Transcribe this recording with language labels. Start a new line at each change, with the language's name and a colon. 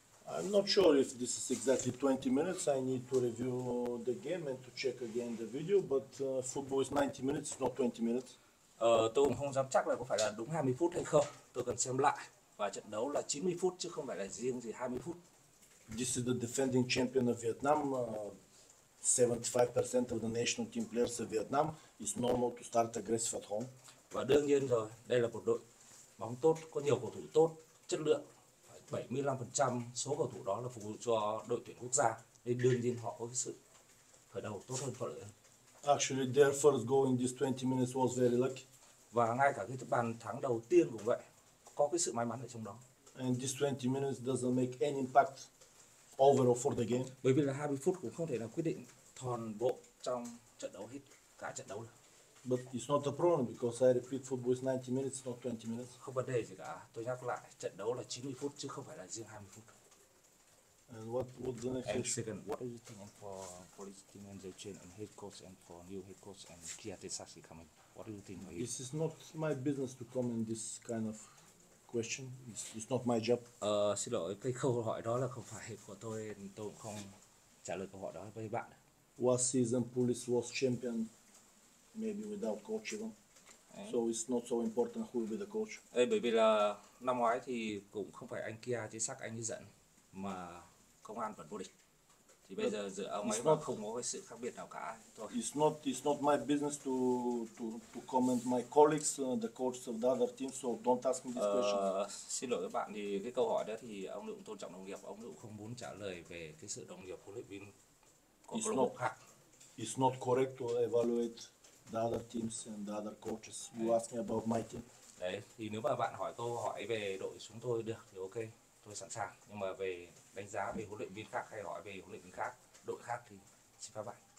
English: I'm not sure if this is exactly 20 minutes. I need to review the game and to check again the video. But football is 90 minutes, not 20 minutes.
Vietnamese: Tôi cũng không dám chắc là có phải là đúng 20 phút hay không. Tôi cần xem lại. Và trận đấu là 90 phút chứ không phải là riêng gì 20 phút.
English: This is the defending champion of Vietnam. 75% of the national team players of Vietnam. It's normal to start aggressive at home.
Vietnamese: Và đương nhiên rồi, đây là một đội bóng tốt, có nhiều cầu thủ tốt, chất lượng. 75% số cầu thủ đó là phục vụ cho đội tuyển quốc gia. Nên đương nhiên họ có cái sự khởi đầu tốt hơn, thuận lợi hơn.
English: Actually, their first goal in these 20 minutes was very lucky.
Vietnamese: Và ngay cả cái bàn thắng đầu tiên cũng vậy, có cái sự may mắn ở trong đó.
English: And these 20 minutes doesn't make any impact overall for the game.
Vietnamese: Bởi vì là 20 phút cũng không thể là quyết định toàn bộ trong trận đấu hết cả trận đấu được.
English: But it's not a problem because I repeat, football is 90 minutes, not 20 minutes.
Vietnamese: Không vấn đề gì cả. Tôi nhắc lại, trận đấu là 90 phút chứ không phải là riêng 20 phút.
English: And what the next and second? What are you thinking for police team and the change and head coach and for new head coach and Kiatisaki coming? What do you think? This is not my business to comment this kind of question. It's not my job.
Vietnamese: Xin lỗi, cái câu hỏi đó là không phải của tôi. Tôi không trả lời câu hỏi đó với bạn.
English: Last season police was champion, maybe without coach even. So it's not so important who will be the coach.
Vietnamese: Ê, bởi vì là năm ngoái thì cũng không phải anh Kiatisaki anh ấy dẫn mà Công an vẫn vô địch. Thì bây giờ giữa ông ấy not, không có cái sự khác biệt nào cả thôi.
English: It's not my business to comment my colleagues the coach of the other team, so don't ask me this question.
Vietnamese: Xin lỗi các bạn, thì cái câu hỏi đó thì ông Lượng tôn trọng đồng nghiệp, ông Lượng không muốn trả lời về cái sự đồng nghiệp huấn luyện viên của câu lạc bộ khác.
English: It's not correct to evaluate the other teams and the other coaches. You ask me about my team.
Vietnamese: Đấy, thì nếu mà bạn hỏi câu hỏi về đội chúng tôi được thì ok. tôi sẵn sàng. Nhưng mà về đánh giá về huấn luyện viên khác hay hỏi về huấn luyện viên khác, đội khác thì xin phép bạn.